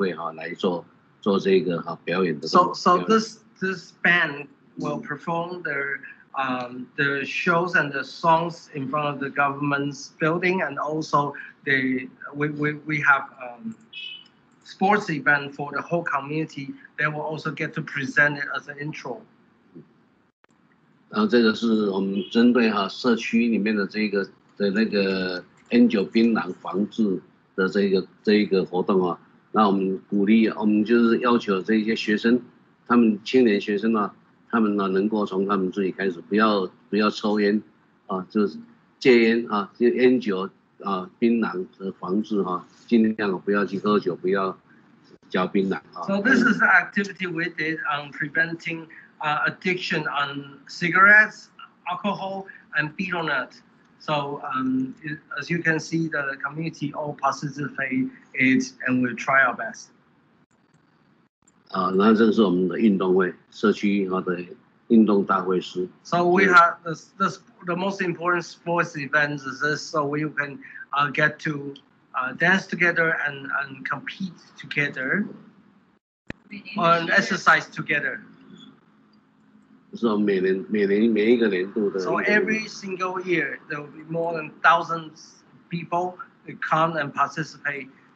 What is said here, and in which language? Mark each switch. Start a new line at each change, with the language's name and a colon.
Chinese: 他们经常在区公所来做表演啊，我们当带他们到区公所去参与啊，区公所办的活动的一个表演。然后我们社区有每一年有一个运动会，他们在运动会的时候，他们也会来做这个表演的。
English: So this band will perform the shows and the songs in front of the government's building, and also we have sports event for the whole community. They will also get to present it as an intro.
Chinese: 然后这个是我们针对哈社区里面的这个 NGO 槟榔防治的这个活动啊，那我们鼓励我们就是要求这些学生，他们青年学生啊，他们呢能够从他们自己开始，不要抽烟啊，就是戒烟啊，就 NGO 槟榔和防治哈，尽量不要去喝酒，不要嚼槟榔啊。
English: So this is the activity we did on preventing addiction on cigarettes, alcohol, and beer on it. So as you can see, the community all participated, and we try our best.
Chinese: 啊，那这是我们的运动会，社区的运动大会师。
English: So we have the the most important sports events is this, so we can get to dance together and compete together and exercise together. So every single year, there will be more than thousands of people that come and participate.